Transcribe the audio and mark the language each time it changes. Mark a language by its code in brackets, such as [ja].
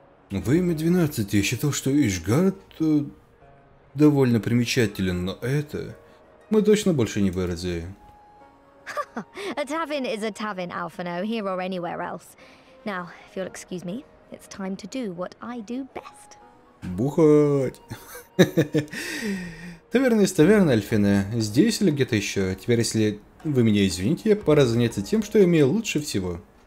[ru] Во имя 12, я считал, что Ishgard довольно примечателен, но это... Мы точно больше не в Эорзее. [en] A tavern is a tavern, Alphano, here or anywhere else. Now, if you'll excuse me, it's time to do what I do best. [ru] Бухать! Таверна из таверны, Альфина. Здесь или где-то еще? Теперь, если вы меня извините, пора заняться тем, что я имею лучше всего.